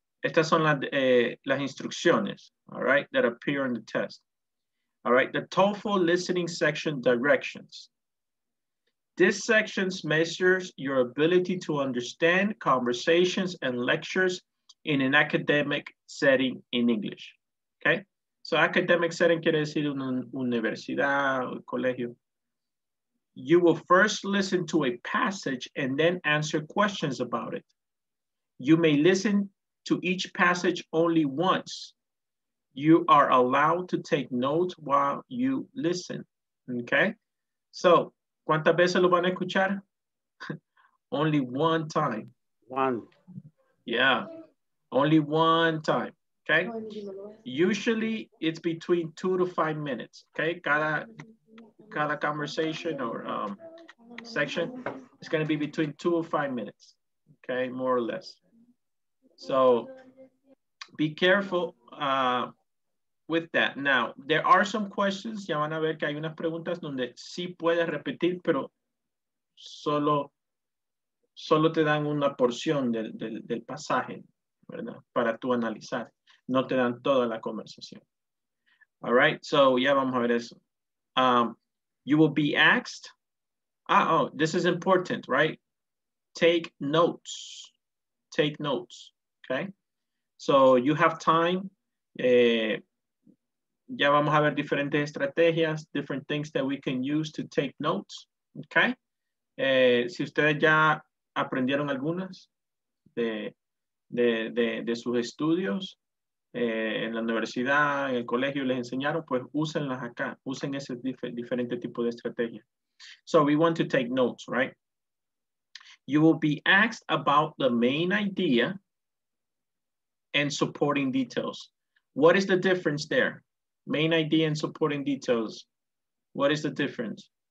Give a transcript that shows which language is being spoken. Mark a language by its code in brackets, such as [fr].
[es] Estas son las instrucciones, [en] all right, that appear on the test. All right, the TOEFL listening section directions. This section measures your ability to understand conversations and lectures in an academic setting in English, okay? [es] So academic setting quiere decir una universidad o colegio. [en] You will first listen to a passage and then answer questions about it. You may listen to each passage only once. You are allowed to take notes while you listen, okay? [es] So, ¿cuántas veces lo van a escuchar? [en] Only one time. One. Yeah, only one time, okay? Usually it's between 2 to 5 minutes, okay? Cada conversation or section is gonna be between 2 or 5 minutes, okay? More or less. So be careful with that. Now, there are some questions, [es] ya van a ver que hay unas preguntas donde sí puedes repetir, pero solo te dan una porción del pasaje, ¿verdad? Para tú analizar. No te dan toda la conversación. [en] All right, so [es] ya vamos a ver eso. [en] You will be asked, this is important, right? Take notes. Take notes, okay? So you have time. [es] Ya vamos a ver diferentes estrategias, [en] different things that we can use to take notes, okay? [es] Si ustedes ya aprendieron algunas de sus estudios en la universidad, en el colegio, les enseñaron, pues úsenlas acá, usen ese diferente tipo de estrategia. [en] So we want to take notes, right? You will be asked about the main idea and supporting details. What is the difference there? Main idea and supporting details. What is the difference?